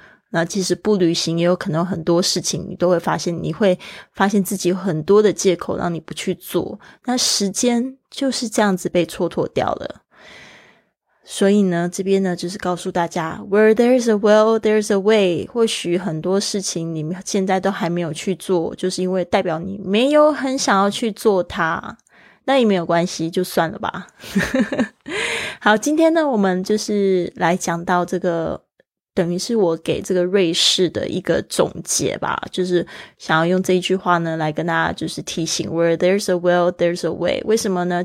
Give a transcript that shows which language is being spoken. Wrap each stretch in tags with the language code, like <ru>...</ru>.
<zh>那其实不旅行也有可能很多事情你都会发现，你会发现自己有很多的借口让你不去做，那时间就是这样子被蹉跎掉了。所以呢，这边呢就是告诉大家</zh> <en>Where there's a will, there's a way。</en> <zh>或许很多事情你现在都还没有去做，就是因为代表你没有很想要去做它，那也没有关系，就算了吧。好，今天呢我们就是来讲到这个，等于是我给这个瑞士的一个总结吧，就是想要用这一句话呢来跟大家就是提醒</zh> <en>Where there's a will, there's a way。</en> <zh>为什么呢？</zh>